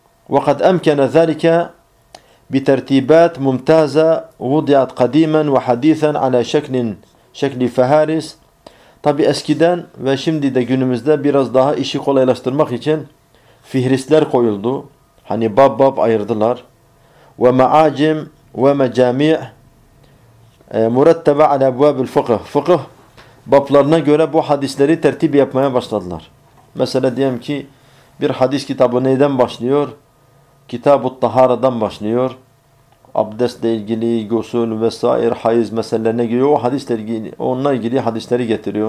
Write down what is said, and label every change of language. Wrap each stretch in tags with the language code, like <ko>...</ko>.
<ar>وَقَدْ أَمْكَنَ ذَلِكَ بِتَرْتِيبَاتْ مُمْتَازَ وُضِعَتْ قَد۪يمًا وَحَد۪يثًا عَلَى شَكْلِ فَهَارِسْ.</ar> <tr>Tabi eskiden ve şimdi de günümüzde biraz daha işi kolaylaştırmak için fihristler koyuldu. Hani bab bab ayırdılar.</tr> <ar>ومعاجم ومجاميع مرتبة على أبواب الفقه.</ar> <tr>Fıkıh bablarına göre bu hadisleri tertip yapmaya başladılar. Mesela diyelim ki bir hadis kitabı neyden başlıyor? Kitab-ı Tahara'dan başlıyor. Abdestle ilgili, gusül vesaire, hayız meselelerine giriyor. O hadisler, onunla ilgili hadisleri getiriyor.</tr>